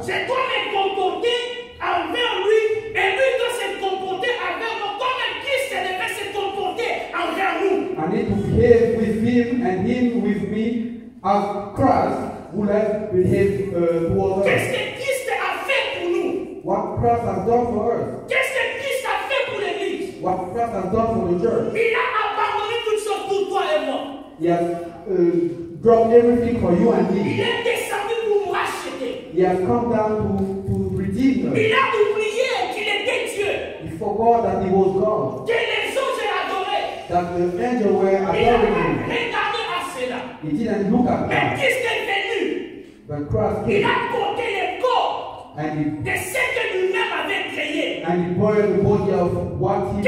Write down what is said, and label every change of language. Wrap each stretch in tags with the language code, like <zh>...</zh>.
<fr>C'est toi qui te comportes envers lui, et lui doit se comporter envers nous comme Christ devait se comporter envers nous.</fr> <en>I need to behave with him and him with me as Christ would have behaved towards us.</en> <fr>Qu'est-ce que Christ a fait pour nous?</fr> <en>What Christ has done for us?</en> <fr>Qu'est-ce que Christ a fait pour l'Église?</fr> <en>What Christ has done for the church?</en> <fr>Il a abandonné toute chose pour toi et moi.</fr> <en>Yes. Dropped everything for you and me.</en> <fr>Il est descendu pour nous racheter.</fr> <en>He has come down to redeem us.</en> <fr>Il a oublié qu'il était Dieu.</fr> <en>He forgot that he was God.</en> <fr>Que les anges adoraient.</fr> <en>That the angels were adoring him.</en> <fr>Il a regardé à cela.</fr> <en>He didn't look at</en> <fr>that. Mais Christ est venu.</fr> <en>But Christ came.</en> <fr>Il a porté le corps de ce que lui-même avait créé.</fr> <en>And he bore the body of what he</en>